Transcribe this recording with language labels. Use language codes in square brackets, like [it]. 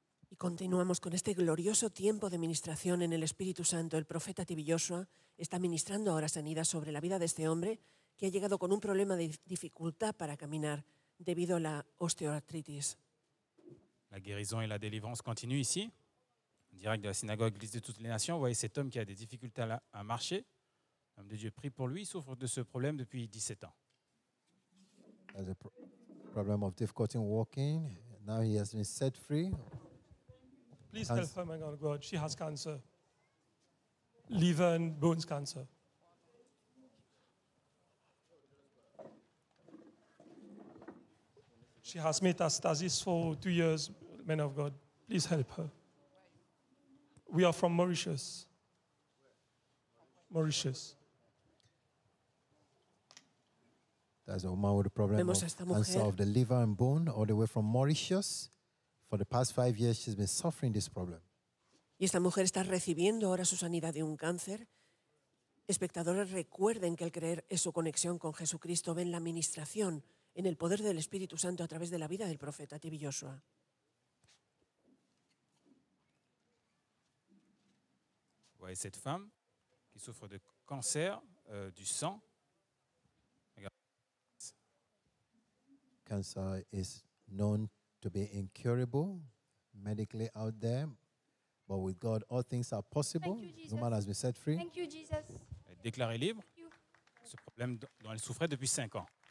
[es] Y continuamos con este glorioso tiempo de ministración en el Espíritu Santo. El profeta TV Joshua está ministrando ahora sanidad sobre la vida de este hombre que ha llegado con un problema de dificultad para caminar debido a la osteoarthritis. [fr] La guérison et la délivrance continuent ici, en direct de la synagogue Église de toutes les nations. Vous voyez cet homme qui a des difficultés à marcher. L'homme de Dieu prie pour lui, il souffre de ce problème depuis 17 ans. Il a un problème de difficulté en marchant. Maintenant, il a été [en] set free. Please help her, my God. She has cancer. Liver and bones cancer. She has metastasis for 2 years, man of God. Please help her. We are from Mauritius. Mauritius. There's a woman with a problem of cancer of the liver and bone, all the way from Mauritius. For the past 5 years, she's been suffering this problem. [es] Y esta mujer está recibiendo ahora su sanidad de un cáncer. Espectadores, recuerden que el creer es su conexión con Jesucristo. Ven la administración en el poder del Espíritu Santo a través de la vida del profeta TV Joshua. [fr] Voyez cette femme qui souffre de cancer du sang. [en] Cancer is known to be incurable medically out there, but with God all things are possible. The woman has been set free. Thank you, Jesus. [fr] Elle est déclarée libre. Ce problème dont elle souffrait depuis 5 ans.